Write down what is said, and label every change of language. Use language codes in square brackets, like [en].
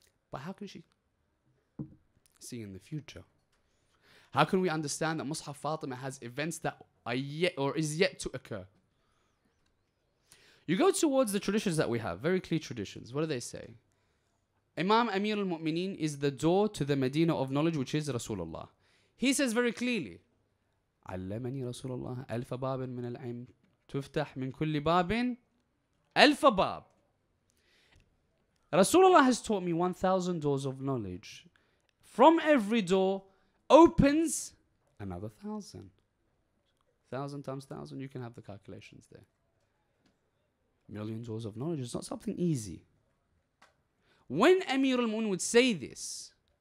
[en] But how can she see in the future? How can we understand that Mus'haf Fatima has events that are yet or is yet to occur? You go towards the traditions that we have, very clear traditions. What do they say? Imam Amir al-Mu'mineen is the door to the Medina of knowledge, which is Rasulullah. He says very clearly, [ar] عَلَّمَنِي رَسُولَ اللَّهِ أَلْفَ بَابٍ مِنَ الْعِمْ تُفْتَحْ مِنْ كُلِّ بَابٍ أَلْفَ بَابٍ. [en] Rasulullah has taught me 1,000 doors of knowledge. From every door opens another 1,000. 1,000 times 1,000, you can have the calculations there. Millions doors of knowledge is not something easy. When Amir al-Mu'min would say this,